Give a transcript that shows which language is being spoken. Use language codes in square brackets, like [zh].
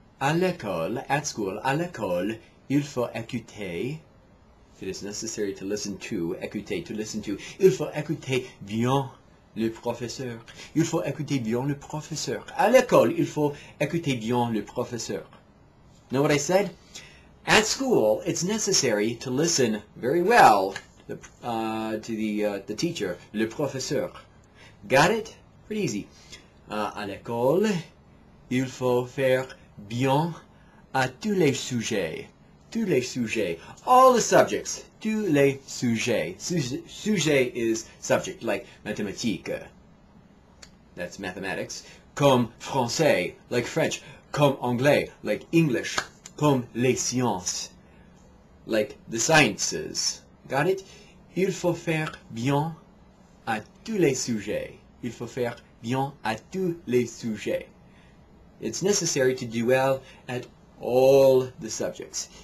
[fr] À l'école, [en] at school, [fr] à l'école, il faut écouter. [en] It is necessary to listen to, écouter, to listen to. [fr] Il faut écouter bien le professeur. Il faut écouter bien le professeur. À l'école, il faut écouter bien le professeur. [en] Know what I said? At school, it's necessary to listen very well to the teacher, le professeur. Got it? Pretty easy. [fr] À l'école, il faut faire bien à tous les sujets. Tous les sujets. [en] All the subjects. [fr] Tous les sujets. [en] Sujet is subject, like mathématique. That's mathematics. [fr] Comme français, [en] like French. [fr] Comme anglais, [en] like English. [fr] Comme les sciences, [en] like the sciences. Got it? [fr] Il faut faire bien à tous les sujets. Il faut faire bien à tous les sujets. [en] It's necessary to do well at all the subjects.